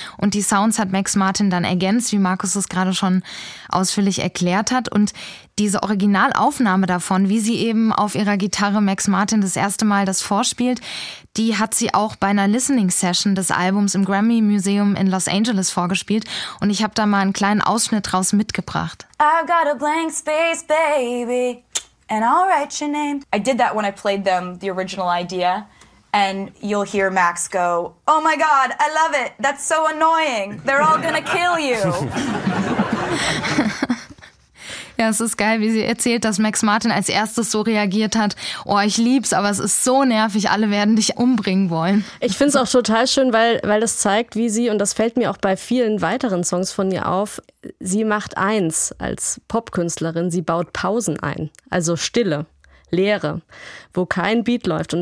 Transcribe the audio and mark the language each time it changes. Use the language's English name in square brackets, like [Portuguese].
[German] Und die Sounds hat Max Martin dann ergänzt, wie Markus es gerade schon ausführlich erklärt hat. Und diese Originalaufnahme davon, wie sie eben auf ihrer Gitarre Max Martin das erste Mal das vorspielt, die hat sie auch bei einer Listening Session des Albums im Grammy Museum in Los Angeles vorgespielt. Und ich habe da mal einen kleinen Ausschnitt draus mitgebracht. [English] I've got a blank space, baby, and I'll write your name. I did that when I played them the original idea. And you'll hear Max go, oh my God, I love it. That's so annoying. They're all gonna kill you. [German] Ja, es ist geil, wie sie erzählt, dass Max Martin als erstes so reagiert hat. Oh, ich lieb's, aber es ist so nervig, alle werden dich umbringen wollen. Ich find's auch total schön, weil das zeigt, wie sie, und das fällt mir auch bei vielen weiteren Songs von ihr auf, sie macht eins als Popkünstlerin, sie baut Pausen ein, also Stille, Leere, wo kein Beat läuft.